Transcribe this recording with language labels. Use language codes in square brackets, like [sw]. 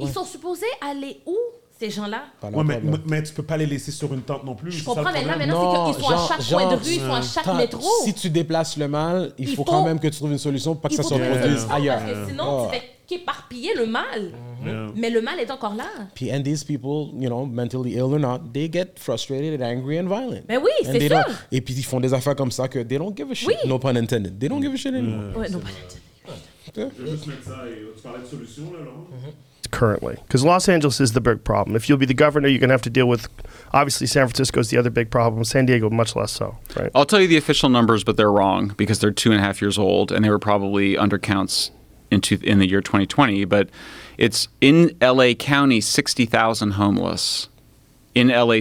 [fr] Ils sont supposés aller où, ces gens-là? Ouais, mais tu peux pas les laisser sur une tente non plus. Je comprends, mais là, maintenant, c'est qu'ils sont à chaque coin de rue, ils sont à chaque métro. Si tu déplaces le mal, il faut quand même que tu trouves une solution pour pas que ça se reproduise ailleurs. Parce que sinon, tu fais qu'éparpiller le mal. Mais le mal est encore là. Puis, [en] and these people, you know, mentally ill or not, they get frustrated and angry and violent. [fr] Mais oui, [en] and [fr] c'est sûr. Et puis, ils font des affaires comme ça que [en] they don't give a shit. [fr] Oui. [en] No pun intended. They don't give a shit anymore. [fr] Ouais, [en] no pun intended. [fr] Je vais juste mettre ça et tu parlais de solution, là, Laurent. [en] Currently, because Los Angeles is the big problem. If you'll be the governor, you're going to have to deal with, obviously, San Francisco is the other big problem. San Diego, much less so. Right. I'll tell you the official numbers, but they're wrong because they're 2.5 years old and they were probably under counts in the year 2020. But it's in L.A. County, 60,000 homeless. In L.A.